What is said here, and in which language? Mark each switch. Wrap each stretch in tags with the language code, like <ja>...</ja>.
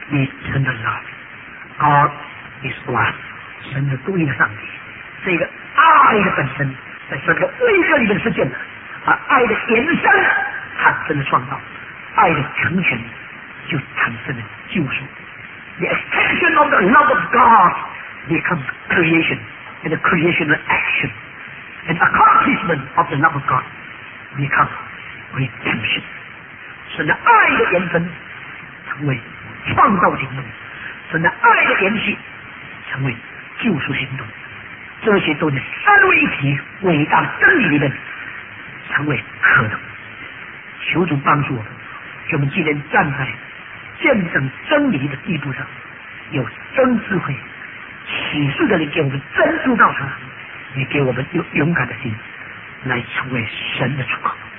<en>Eternal love, God is one,</en> <zh>神是独一的上帝。这个爱的本身，在整个位格里面实践了，而爱的延伸，产生了创造，爱的成全，就产生了救赎。</zh> <en>The extension of the love of God becomes creation, and the creation of action, and accomplishment of the love of God becomes redemption.</en> <zh>神的爱的延伸，成为创造行动，神的爱的延续成为救赎行动，这些都是三位一体伟大的真理里面成为可能。求主帮助我们，给我们今天站在见证真理的地步上，有真智慧启示的灵给我们真知道他，也给我们有勇敢的心来成为神的出口。</zh>